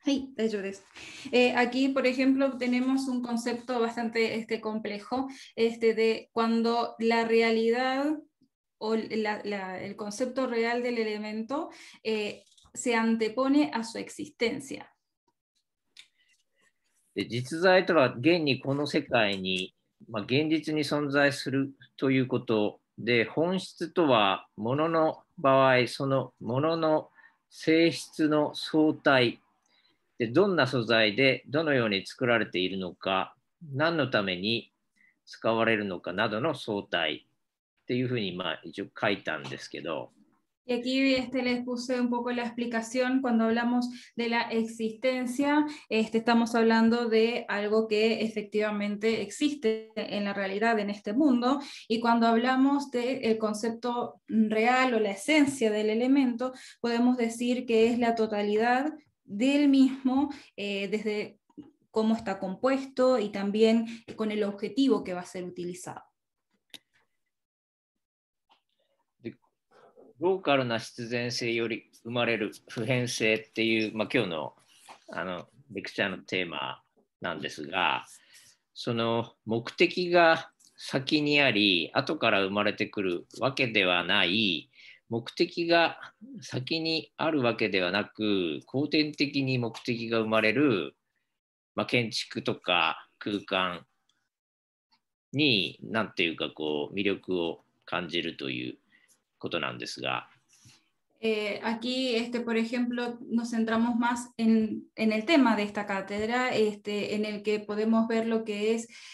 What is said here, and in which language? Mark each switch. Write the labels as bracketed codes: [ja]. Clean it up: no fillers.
[ja] はい、大丈夫です。 [es] Aquí, por ejemplo, tenemos un concepto bastante complejo, de cuando la realidad o el concepto real del elemento se antepone a su existencia. [ja] 実在とは現にこの世界に、現実に存在するということで、本質とは物の場合、その物の性質の相対で、どんな素材でどのように作られているのか、何のために使われるのかなどの相対っていうふうに一応書いたんですけど。 [es] Y aquí les puse un poco la explicación cuando hablamos de la existencia. Estamos hablando de algo que efectivamente existe en la realidad en este mundo. Y cuando hablamos del concepto real o la esencia del elemento, podemos decir que es la totalidad del mismo, desde cómo está compuesto y también con el objetivo que va a ser utilizado. [ja] ローカルな必然性より生まれる普遍性っていう、今日のレクチャーのテーマなんですが、その目的が先にあり後から生まれてくるわけではない、目的が先にあるわけではなく、後天的に目的が生まれる、建築とか空間に何ていうかこう魅力を感じるということなんですが、 [es] aquí por ejemplo nos centramos más en el tema de esta cátedra en el que podemos ver lo que es